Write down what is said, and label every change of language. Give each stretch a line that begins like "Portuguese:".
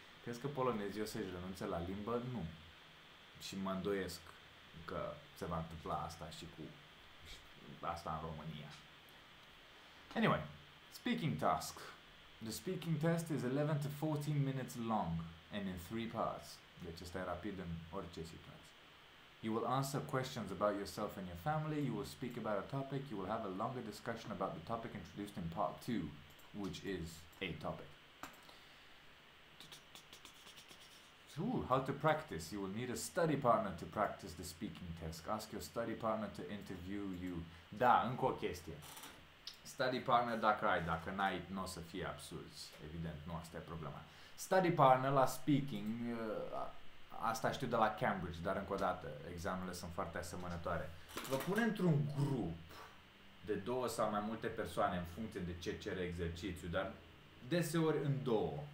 Romanian: Crezi că polonezii o să-și renunțe la limbă? Nu. Și mă îndoiesc că se va întâmpla asta și cu asta în România.
English: Anyway, speaking task. The speaking test is 11 to 14 minutes long and in 3 parts.
Romanian: Deci stai rapid în orice situație.
English: You will answer questions about yourself and your family. You will speak about a topic. You will have a longer discussion about the topic introduced in part 2, which is a topic. Ooh, how to practice. You will need a study partner to practice the speaking test. Ask your study partner to interview you.
Romanian: Da, încă o chestie. Study partner dacă ai, dacă n-ai, n-o să fie absurzi. Evident, nu asta e problema. Study partner la speaking, asta știu de la Cambridge, dar încă o dată, examenele sunt foarte asemănătoare. Vă pune într-un grup de două sau mai multe persoane în funcție de ce cere exercițiu, dar deseori în două.